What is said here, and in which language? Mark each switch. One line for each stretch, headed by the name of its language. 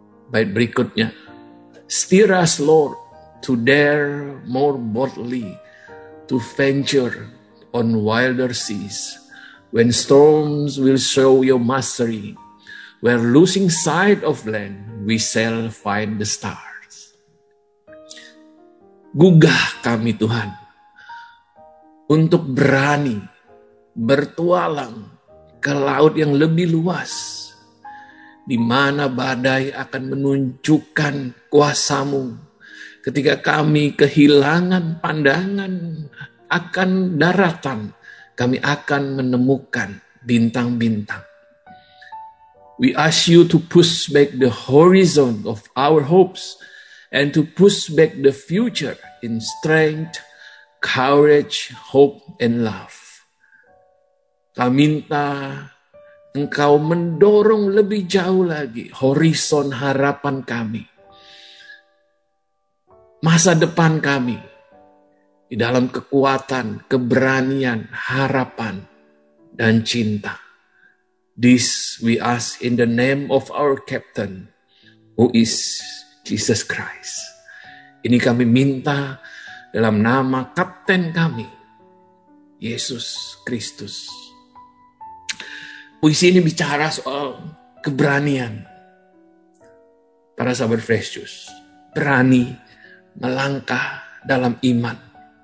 Indonesian: Bait berikutnya,
English: Steer us, Lord, to dare more boldly, to venture on wilder seas, when storms will show your mastery, where losing sight of land, we shall find the stars.
Indonesian: Gugah kami, Tuhan, untuk berani bertualang ke laut yang lebih luas, di mana badai akan menunjukkan kuasamu. Ketika kami kehilangan pandangan akan daratan, kami akan menemukan bintang-bintang.
English: We ask you to push back the horizon of our hopes and to push back the future in strength, courage, hope, and love.
Indonesian: Kami minta Engkau mendorong lebih jauh lagi horizon harapan kami. Masa depan kami. Di dalam kekuatan, keberanian, harapan, dan cinta.
English: This we ask in the name of our captain, who is Jesus Christ.
Indonesian: Ini kami minta dalam nama kapten kami, Yesus Kristus. Puisi ini bicara soal keberanian. Para sahabat Fresh Juice, berani melangkah dalam iman.